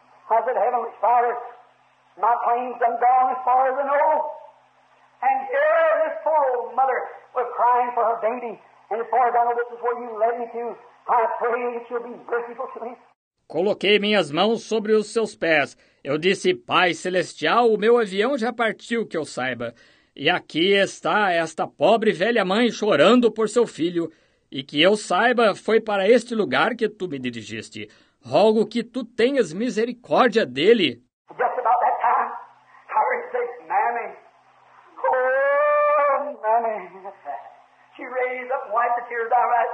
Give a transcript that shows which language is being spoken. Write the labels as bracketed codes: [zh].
[en] I said, Heavenly Father, my plane's been gone as far as I know. And here this poor old mother was crying for her baby. And as far as I know, this is where you led me to. I pray that you'll be merciful to me. [pt] Coloquei minhas mãos sobre os seus pés. Eu disse, Pai Celestial, o meu avião já partiu, que eu saiba. E aqui está esta pobre velha mãe chorando por seu filho. E que eu saiba, foi para este lugar que tu me dirigiste. Rogo que tu tenhas misericórdia dele. [en] Just about that time, I received Mammy. Oh, Mammy. She raised up and wiped the tears out of her eyes.